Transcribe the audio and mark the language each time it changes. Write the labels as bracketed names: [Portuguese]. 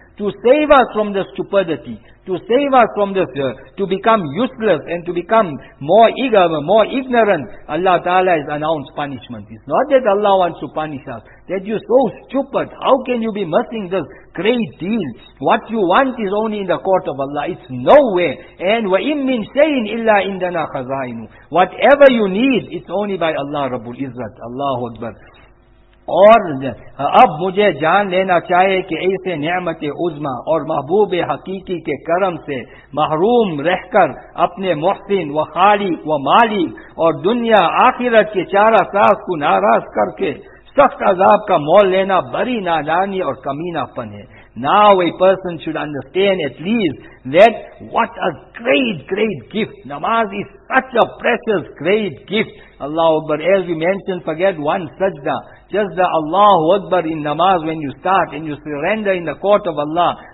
[English] To save us from the stupidity, to save us from this, to become useless and to become more eager, more ignorant, Allah Ta'ala has announced punishment. It's not that Allah wants to punish us, that you're so stupid. How can you be missing this great deal? What you want is only in the court of Allah. It's nowhere. [Arabic] And وَإِمْ مِنْ شَيْءٍ إِلَّا إِنْدَنَا خَزَائِنُ. [English] Whatever you need, it's only by Allah Rabbul Izzat. Allahu Akbar. [Urdu] اور اب مجھے جان لینا چاہے کہ ایسے نعمت عظمہ اور محبوب حقیقی کے کرم سے محروم رہ کر اپنے محسن و خالق و مالک اور دنیا آخرت کے چارہ ساز کو ناراض کر کے سخت عذاب کا مول لینا بری نادانی اور کمینہ پن ہے. [English] Now a person should understand at least that what a great, great gift. Namaz is such a precious, great gift. Allahu Akbar, as we mentioned, forget one sajda. Just the Allahu Akbar in namaz when you start and you surrender in the court of Allah.